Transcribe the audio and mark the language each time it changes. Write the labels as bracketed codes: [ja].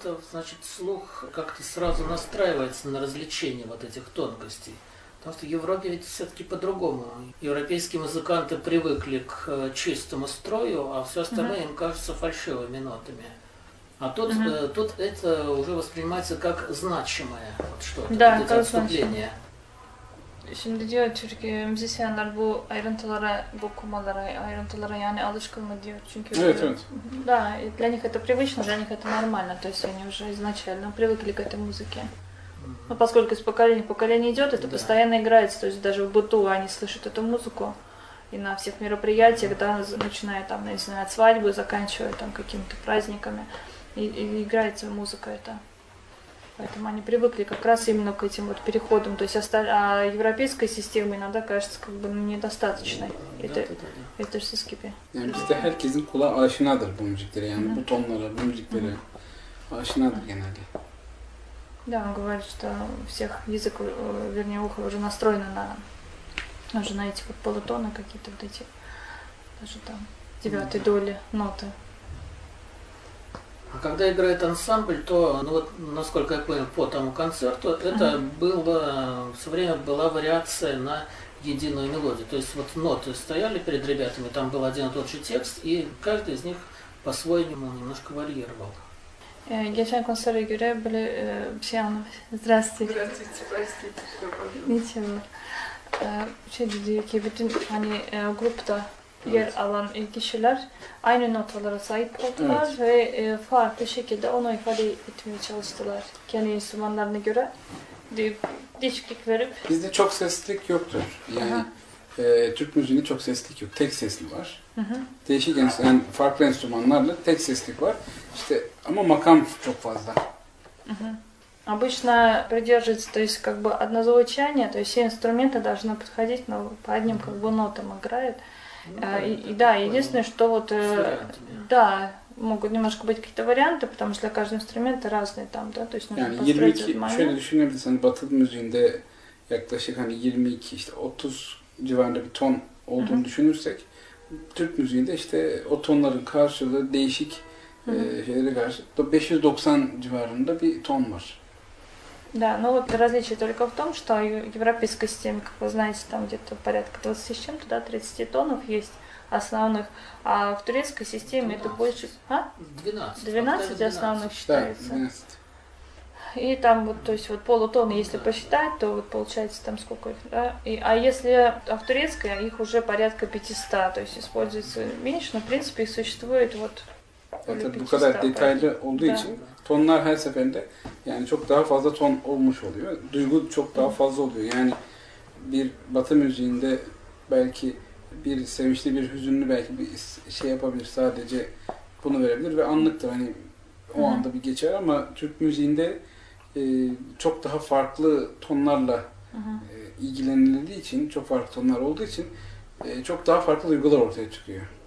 [ru] Значит, слух как-то сразу настраивается на развлечение вот этих тонкостей. Потому что в Европе ведь все-таки по-другому. Европейские музыканты привыкли к чистому строю, а все остальное им кажется фальшивыми нотами. А тут, тут это уже воспринимается как значимое вот что-то. Да, вот это отступление. [tr] Şimdi diyor çünkü müzisyenler bu ayrıntılara bakmaları, ayrıntılara yani alışkınlı diyor çünkü. Evet, evet. [ru] Да, и для них это привычно, для них это нормально, то есть они уже изначально привыкли к этой музыке. Но поскольку из поколения в поколение идет, это постоянно играется, то есть даже в быту они слышат эту музыку. И на всех мероприятиях, да, начиная там, не знаю, от свадьбы, заканчивая там какими-то праздниками, и играется музыка эта. Поэтому они привыкли как раз именно к этим вот переходам. То есть а европейская система иногда кажется как бы недостаточной. Это же скипи. [tr] Bizde herkesin kulağı aşinadır bu müziklere. Yani bu tonlara, bu müziklere aşinadır genelde. [ru] Да, он говорит, что всех язык, вернее, ухо уже настроено на уже на эти вот полутоны какие-то вот эти даже там девятой доли ноты. А когда играет ансамбль, то, ну вот, насколько я понял, по тому концерту, это было, все время была вариация на единую мелодию. То есть вот ноты стояли перед ребятами, там был один и тот же текст, и каждый из них по-своему немножко варьировал. [tr] Geçen konsere göre böyle bir şey anlamış. [ru] Здравствуйте. Здравствуйте, простите. Ничего. [tr] şey diyor ki bütün hani grupta yer alan kişiler aynı notalara sahip oldular ve farklı şekilde onu ifade etmeye çalıştılar kendi enstrümanlarına göre deyip değişiklik verip. Bizde çok seslilik yoktur. Yani Türk müziğinde çok seslilik yok. Tek sesli var. Hı-hı. Değişik enstrüman, yani farklı enstrümanlarla tek seslilik var. İşte ama makam çok fazla. [ru] Обычно придерживается, то есть как бы однозвучание, то есть все инструменты должны подходить, но по одним как бы нотам играют. И да, единственное, что вот да, могут немножко быть какие-то варианты, потому что для каждого инструмента разные там, да, то есть нужно построить этот момент. [tr] Yani 22, şöyle düşünebilirsin, Batı müziğinde yaklaşık hani 22, işte 30 civarında bir ton olduğunu düşünürsek, Türk müziğinde işte o tonların karşılığı değişik şeylere karşı 590 civarında bir ton var. [ru] Да, ну вот различие только в том, что в европейской системе, как вы знаете, там где-то порядка 20 с чем-то, да, 30 тонов есть основных, а в турецкой системе 12. Это больше... А? 12 основных считается. Да, 12. И там вот, то есть вот полутонны, если посчитать, то вот получается там сколько их, да? И, а если а в турецкой, их уже порядка 500, то есть используется меньше, но в принципе их существует вот... Это более 500, детально поэтому. Да. [tr] Tonlar her seferinde yani çok daha fazla ton olmuş oluyor. Duygu çok daha fazla oluyor. Yani bir Batı müziğinde belki bir sevinçli bir hüzünlü belki bir şey yapabilir sadece bunu verebilir ve anlıktır. Hani o anda bir geçer ama Türk müziğinde çok daha farklı tonlarla ilgilenildiği için, çok farklı tonlar olduğu için çok daha farklı duygular ortaya çıkıyor.